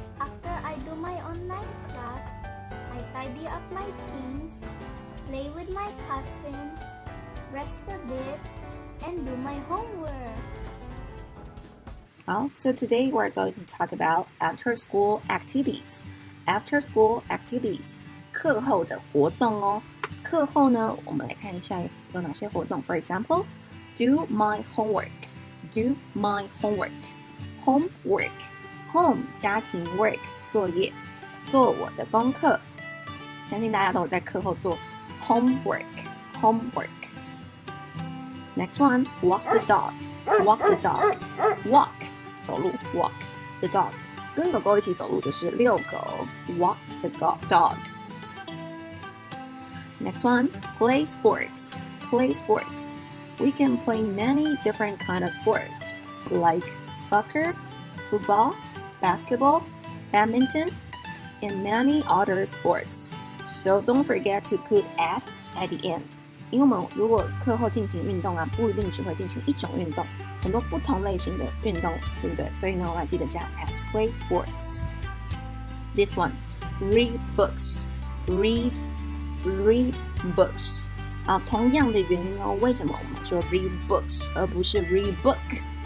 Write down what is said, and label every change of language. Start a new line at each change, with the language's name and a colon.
English: After I do my online class, I tidy up my things, play with my cousin, rest a bit, and do my homework. Well, so today we're going to talk about after school activities. After school activities,
Chinese: 课后的活动哦。课后呢，我们来看一下有哪些活动。
English: For example,Do my homework. Do my homework. Homework. Home,
Chinese: 家庭
English: work,
Chinese: 作业。做我的功课。相信大家都有在课后做
English: homework. Homework. Next one, walk the dog. Walk the dog. Walk,
Chinese: 走路
English: walk the dog.
Chinese: 跟狗狗一起走路就是遛狗
English: walk the dog. Next one, play sports. Play sports.We can play many different kinds of sports. like soccer, football, basketball, badminton, and many other sports. So don't forget to put S at the end.
Chinese: 因为我们如果课后进行运动啊，不一定只会进行一种运动，很多不同类型的运动，对不对？所以呢，我们记得加
English: S. Play sports. This one, read books. Read books.
Chinese: 啊，同样的原因哦，为什么我们说
English: read books
Chinese: 而不是
English: read book？